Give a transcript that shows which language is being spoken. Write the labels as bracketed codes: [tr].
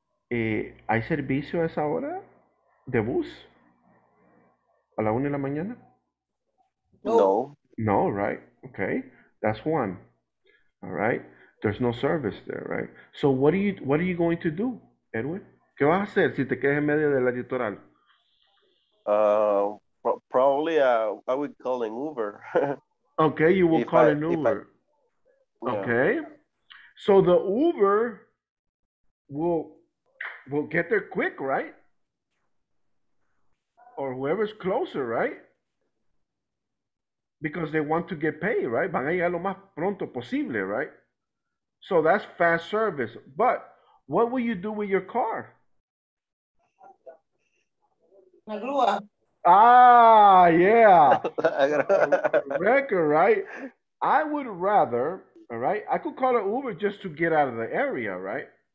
[es] ¿Hay servicio a esa hora de bus? ¿A la 1 a.m? No. [en] No, right? Okay. That's one. All right. There's no service there, right? So what are you going to do, Edwin? [es] ¿Qué vas a hacer si te quedas en medio del litoral? [en] Probably I would call an Uber. Okay, you will call an Uber. Okay. So the Uber will get there quick, right? Or whoever's closer, right? Because they want to get paid, right? [es] Van a llegar lo más pronto posible, right? [en] So that's fast service. But what will you do with your car? [es] La grúa. [en] Ah, yeah. Record, right? I would rather, all right? I could call an Uber just to get out of the area, right?